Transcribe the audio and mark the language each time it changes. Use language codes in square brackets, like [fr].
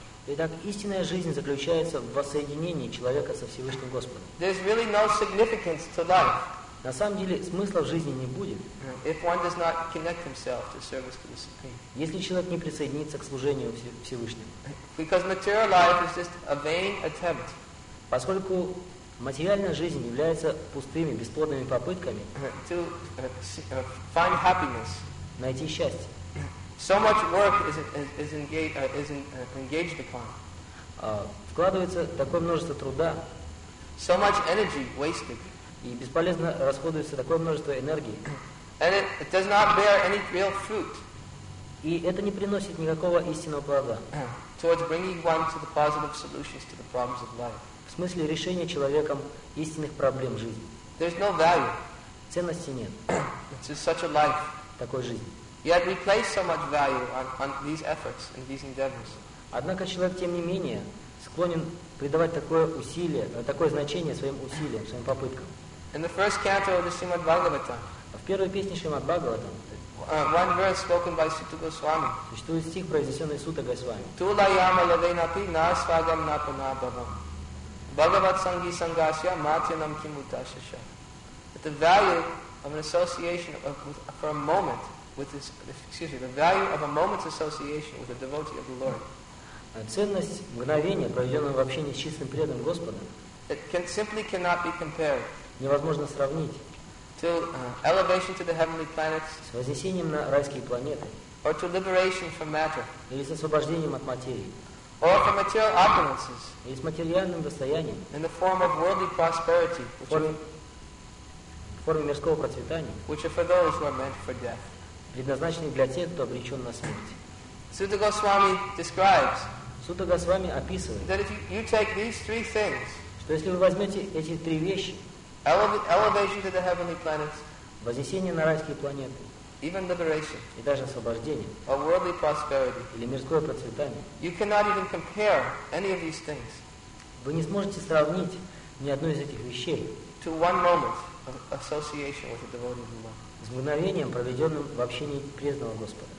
[ru] Итак, истинная жизнь заключается в воссоединении человека со Всевышним Господом. [en] There's really no significance to life. [ru] На самом деле смысла в жизни не будет. [en] If one does not connect himself to service to the Supreme. [ru] Если человек не присоединится к служению Всевышнему. [en] Because material life is just a vain attempt. [ru] Поскольку материальная жизнь является пустыми, бесплодными попытками [en] to find happiness. [ru] Найти счастье. [en] So much work is engaged upon. [ru] Вкладывается такое множество труда. [en] So much energy wasted. [ru] И бесполезно расходуется такое множество энергии. [en] And it does not bear any real fruit. [ru] И это не приносит никакого истинного плода. [en] Towards bringing one to the positive solutions to the problems of life. [ru] В смысле решения человеком истинных проблем жизни. [en] There's no value. [ru] Ценности нет. [en] To such a life. [ru] Такой жизни. [en] Yet we place so much value on these efforts and these endeavors. [ru] Однако человек, тем не менее, склонен придавать такое усилие, такое значение своим усилиям, своим попыткам. [en] In the first canto of the Srimad Bhagavatam. [ru] В первой песне Шримад Бхагаватам. [en] One verse spoken by Sutta Goswami. [ru] Существует стих, произнесенный Сутта Госвами. [sa] Tula yama lavenapi na svagam na panabhavam. Bhagavat Sanghi Sanghasya Matyanam Kimutashasha. [en] That the value of an association for a moment with this, excuse me, the value of a moment's association with a devotee of the Lord. [ru] Ценность мгновения, проведенного в общении с чистым преданным Господом, [en] it can simply cannot be compared. [ru] Невозможно сравнить. [en] To elevation to the heavenly planets. [ru] С вознесением на райские планеты. [en] Or to liberation from matter. [ru] Или с освобождением от материи. [en] Or from material opulences. [ru] И с материальным достоянием. [en] In the form of worldly prosperity, [ru] в форме мирского процветания, [en] which are for those who are meant for death. [ru] Предназначенный для тех, кто обречен на смерть. [en] Сутта Госвами describes. [ru] Сутта Госвами описывает. [en] That if you take these three things. [ru] Что если вы возьмете эти три вещи. [en] Elevation to the heavenly planets. [ru] Вознесение на райские планеты. [en] Even liberation. [ru] И даже освобождение. [en] Or worldly prosperity. [ru] Или мирское процветание. [en] You cannot even compare any of these things. [ru] Вы не сможете сравнить ни одну из этих вещей. [en] To one moment of association with a devotee of Allah. [ru] С мгновением, проведенным в общении преданного Господа.